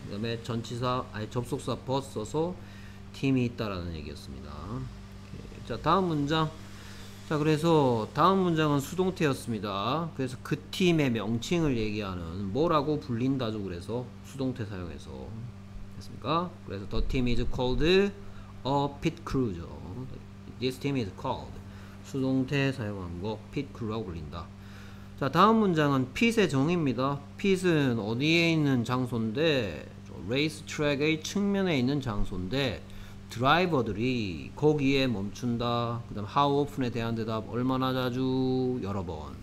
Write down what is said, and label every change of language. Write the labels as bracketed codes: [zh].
[ko] 그다음에 전치사 아니 접속사 but 써서 팀이 있다라는 얘기였습니다. 오케이. 자 다음 문장. 자 그래서 다음 문장은 수동태였습니다. 그래서 그 팀의 명칭을 얘기하는 뭐라고 불린다죠. 그래서 수동태 사용해서 됐습니까? 그래서 [en] the team is called a pit crew죠. This team is called [ko] 수동태 사용한 거 pit crew라고 불린다. 자 다음 문장은 pit의 정의입니다. pit은 어디에 있는 장소인데 race track의 측면에 있는 장소인데 드라이버들이 거기에 멈춘다. 그 다음 how often에 대한 대답 얼마나 자주 여러 번.